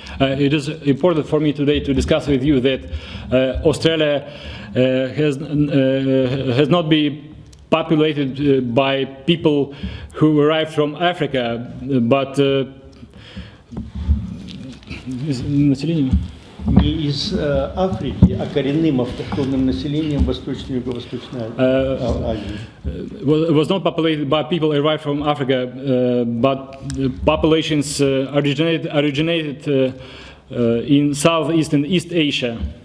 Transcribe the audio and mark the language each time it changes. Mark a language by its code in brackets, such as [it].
[en] It is important for me today to discuss with you that Australia has not been populated by people who arrived from Africa, but [ru] населением. Не из Африки, а коренным автохтонным населением Восточной и Юго-Восточной Азии. [en] Was not populated by people arrived from Africa, but populations originated in Southeast and East Asia.